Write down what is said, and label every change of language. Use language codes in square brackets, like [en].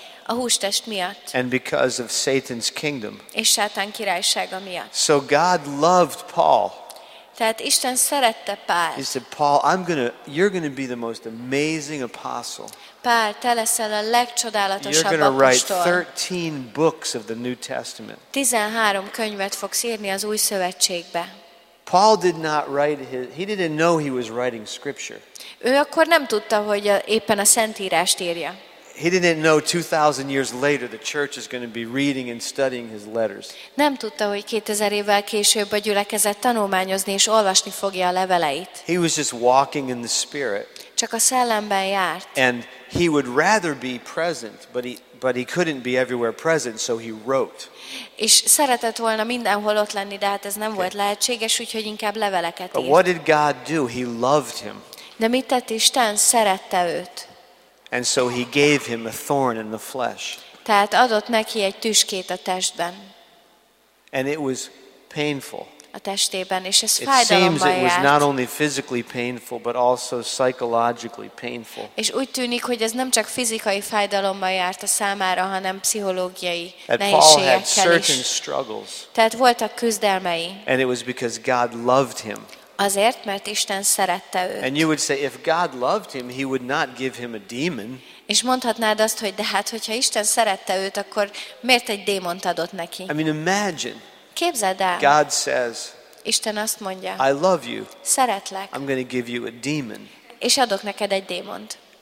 [hu] A hústest miatt. [en] And because of Satan's kingdom. [hu] És Sátán királysága miatt. [en] So God loved Paul. [hu] Tehát Isten szerette Pált. [en] He said, Paul, you're going to be the most amazing apostle. [hu] Pál, te leszel a legcsodálatosabb apostol. [en] You're going to write 13 books of the New Testament. [hu] 13 könyvet fogsz írni az Új Szövetségbe. [en] Paul did not write he didn't know he was writing scripture. [hu] Ő akkor nem tudta, hogy éppen a Szentírást írja. [en] He didn't know 2000 years later the church is going to be reading and studying his letters. [hu] Nem tudta, hogy 2000 évvel később a gyülekezet tanulmányozni és olvasni fogja a leveleit. [en] He was just walking in the spirit. [hu] Csak a szellemben járt. [en] And he would rather be present, but he couldn't be everywhere present, so he wrote. [hu] És szeretett volna mindenhol ott lenni, de hát ez nem volt lehetséges, úgyhogy inkább leveleket írt. [en] But what did God do? He loved him. [hu] De mit tett Isten? Szerette őt. [en] And so he gave him a thorn in the flesh. [hu] Tehát adott neki egy tüskét a testben. [en] And it was painful. [hu] A testében, és ez fájdalommal járt. [en] It seems it was not only physically painful, but also psychologically painful. [hu] És úgy tűnik, hogy ez nem csak fizikai fájdalommal járt a számára, hanem pszichológiai nehézségekkel is. Tehát voltak küzdelmei. [en] And it was because God loved him. [hu] Azért, mert Isten szerette őt. [en] And you would say, if God loved him, he would not give him a demon. [hu] És mondhatnád azt, hogy de hát, hogyha Isten szerette őt, akkor miért egy démont adott neki? [en] I mean, imagine. [hu] Képzeld el. [en] God says, [hu] Isten azt mondja, [en] I love you. [hu] Szeretlek. [en] I'm going to give you a demon. [hu] És adok neked egy démont.